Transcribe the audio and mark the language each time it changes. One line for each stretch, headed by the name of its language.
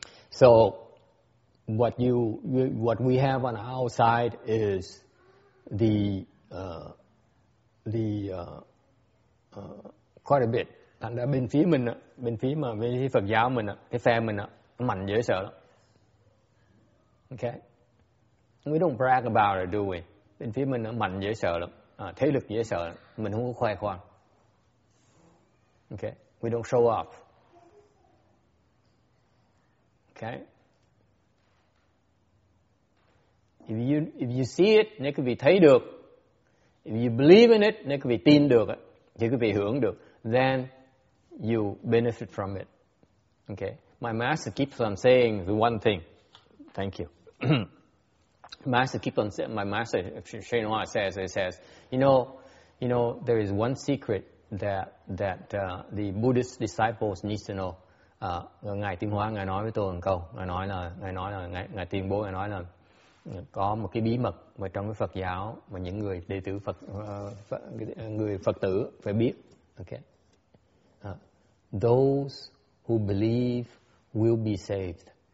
English: So what we have on our side is the quite a bit.
Vietnamese: Thành ra bên phía mình, bên phía mà bên phía Phật giáo mình, cái phe mình nó mạnh dễ sợ lắm.
English: Okay. We don't brag about it, do we?
Vietnamese: Bên phía mình nó mạnh dễ sợ lắm, thế lực dễ sợ lắm. Mình không có khoe khoang. Okay.
English: We don't show off. Okay. If you see it,
Vietnamese: nếu quý vị thấy được,
English: if you believe in it,
Vietnamese: nếu quý vị tin được, thì quý vị hưởng được,
English: then you benefit from it. Okay. My master keeps on saying the one thing. Thank you. My master Shenhua says, you know, there is one secret that the Buddhist disciples need to know.
Vietnamese: Ngài Tiên Hóa, Ngài nói với tôi một câu. Ngài nói là, có một cái bí mật mà trong cái Phật giáo mà những người đệ tử Phật, người Phật tử phải biết. Okay.
English: Those who believe will be saved.